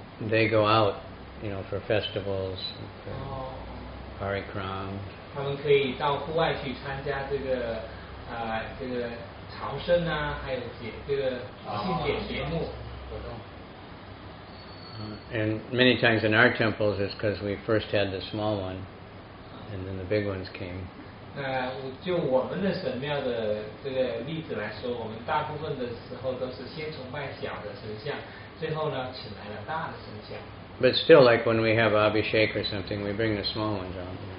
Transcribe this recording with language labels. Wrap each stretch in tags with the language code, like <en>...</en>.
<en>They go out, you know, for festivals, for parikram.</en> <zh>他们可以到户外去参加这个</zh> <en>And many times in our temples it's because we first had the small one and then the big ones came. But still, like when we have Abhishek or something, we bring the small ones out.</en>